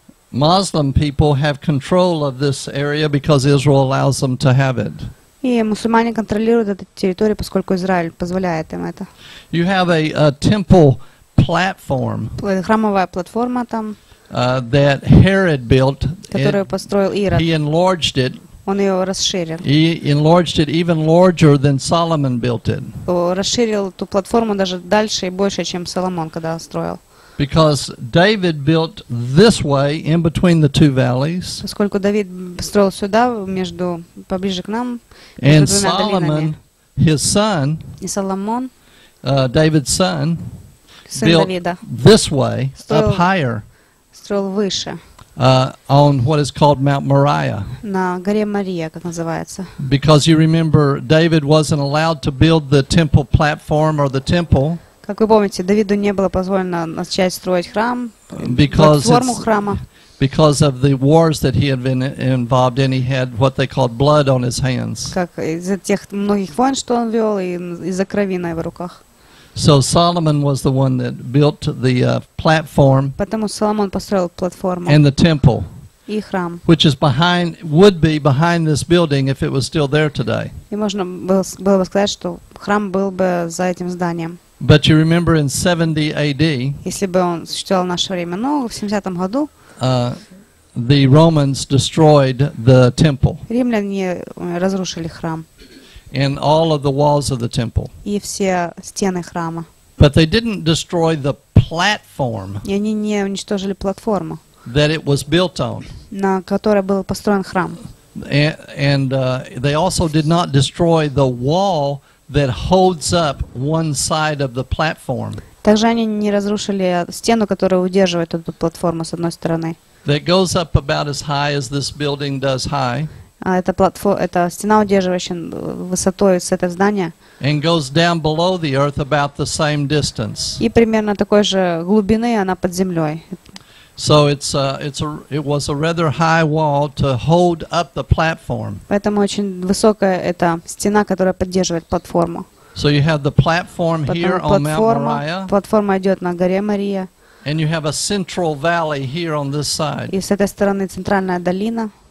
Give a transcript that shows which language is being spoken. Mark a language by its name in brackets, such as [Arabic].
[English] Muslim people have control of this area because Israel allows them to have it. [Russian] И мусульмане контролируют эту территорию, поскольку Израиль позволяет им это. [English] You have a temple platform. [Russian] Храмовая платформа там. [English] That Herod built. [Russian] Которую построил Ирод. [English] He enlarged it. [Russian] Он ее расширил. [English] He enlarged it even larger than Solomon built it. [Russian] Расширил ту платформу даже дальше и больше, чем Соломон когда строил. [English] Because David built this way in between the two valleys. [Russian] Поскольку Давид строил сюда между поближе к нам. [English] And Solomon, his son. [Russian] И Соломон. [English] David's son. [Russian] Сын [English] built [Russian] Давида. [English] This way up higher. [Russian] Строил выше. [English] On what is called Mount Moriah. [Russian] На горе Мария, как называется. [English] Because you remember, David wasn't allowed to build the temple platform or the temple. [Russian] Как вы помните, Давиду не было позволено начать строить храм, платформу храма. [English] Because of the wars that he had been involved in, he had what they called blood on his hands. [Russian] Как из-за тех многих войн, что он вел, и из-за крови на его руках. [English] So Solomon was the one that built the platform. [Russian] Поэтому Соломон построил платформу. [English] And the temple. [Russian] И храм. [English] Which is behind, would be behind this building if it was still there today. [Russian] И можно было бы сказать, что храм был бы за этим зданием. [English] But you remember in 70 AD, [Russian] если бы он существовал в наше время, но в 70-м году, [English] the Romans destroyed the temple. [Russian] Римляне разрушили храм. [English] And all of the walls of the temple. [Russian] И все стены храма. [English] But they didn't destroy the platform. [Russian] И они не уничтожили платформу. [English] That it was built on. [Russian] На которой был построен храм. [English] They also did not destroy the wall that holds up one side of the platform. [Russian] Также они не разрушили стену, которая удерживает эту платформу с одной стороны. [English] That goes up about as high as this building does high. [Russian] Эта стена удерживающая высотой с этого здания. [English] And goes down below the earth about the same distance. [Russian] И примерно такой же глубины она под землей. [English] So it was a rather high wall to hold up the platform. [Russian] Поэтому очень высокая эта стена, которая поддерживает платформу. [English] So you have the platform here on Mount Moriah. [Russian] Платформа идет на горе Мария. [English] And you have a central valley here on this side. [Russian] И с этой стороны центральная долина.